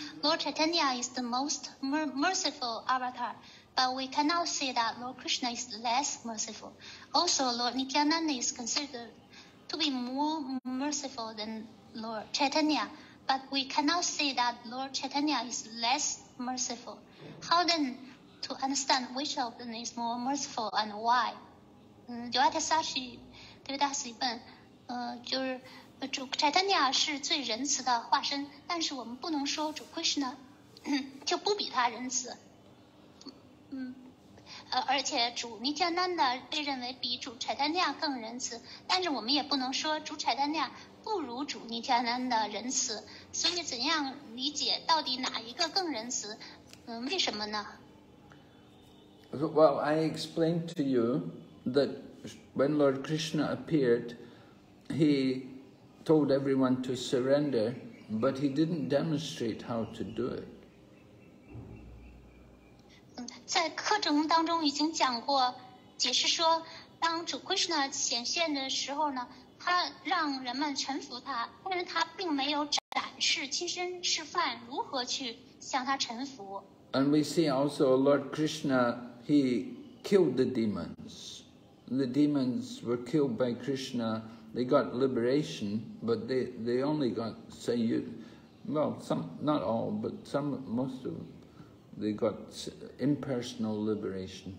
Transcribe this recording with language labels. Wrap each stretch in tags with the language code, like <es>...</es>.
<en>Lord Chaitanya is the most merciful avatar, but we cannot say that Lord Krishna is less merciful. Also, Lord Nityananda is considered to be more merciful than Lord Chaitanya, but we cannot say that Lord Chaitanya is less merciful. How then to understand which of them is more merciful and why.</en> <zh>尤阿特萨是对大师问，就是主柴坦尼亚是最仁慈的化身，但是我们不能说主 Krishna 就不比他仁慈。而且主尼加南达被认为比主柴坦尼亚更仁慈，但是我们也不能说主柴坦尼亚不如主尼加南达仁慈。所以怎样理解到底哪一个更仁慈？为什么呢</zh> <en>？Well, I explained to you that when Lord Krishna appeared, he told everyone to surrender, but he didn't demonstrate how to do it.</en> <zh>在课程当中已经讲过，解释说，当主 Krishna 显现的时候呢，他让人们臣服他，但是他并没有展示亲身示范如何去向他臣服。</zh> <en>And we see also Lord Krishna, he killed the demons. The demons were killed by Krishna. They got liberation, but they only got, say, you, well, some, not all, but some, most of them, they got impersonal liberation.</en>